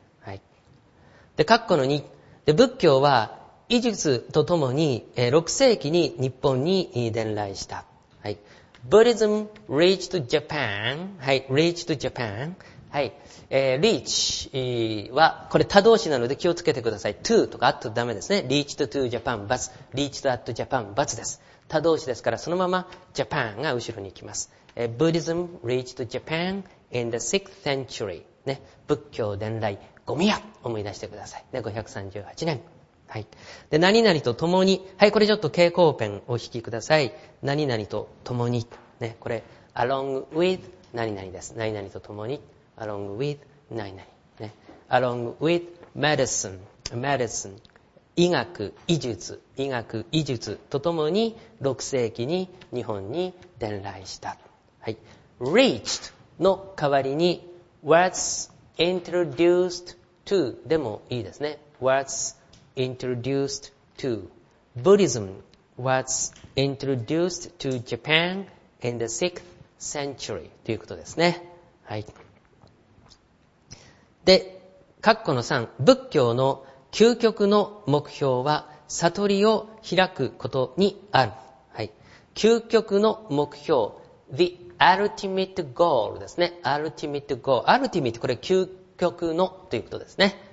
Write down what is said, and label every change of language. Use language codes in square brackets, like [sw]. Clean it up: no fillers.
[ja] はい、で、括弧の2で、仏教は医術とともに6世紀に日本に伝来した。 [en] はい、Buddhism reached Japan. はい、reached Japan. [ja] はい、reach は、これ他動詞なので気をつけてください。 to とか at ダメですね。 [en] reached to Japan, but, reached at Japan, but です。 [ja] 他動詞ですから、そのまま Japan が後ろに行きます。 [en] Buddhism reached Japan in the 6th century. [ja] ね、仏教伝来、ゴミ屋、思い出してください。ね、538年。はい、で、何々と共に、はい、これちょっと蛍光ペンを引きください。何々と共に、ね、これ along with 何々です。何々と共に along with 何々、ね、 [en] along with medicine、 [ja] medicine 医学、医術、医学、医術と共に6世紀に日本に伝来した。はい、reached の代わりに [en] was introduced to [ja] でもいいですね。 [en] wasintroduced to. Buddhism was introduced to Japan in the 6th century [ja] ということですね。はい、で、括弧の3、仏教の究極の目標は悟りを開くことにある。はい、究極の目標、 [en] the ultimate goal [ja] ですね。 ultimate goal、 ultimate、 これ究極のということですね。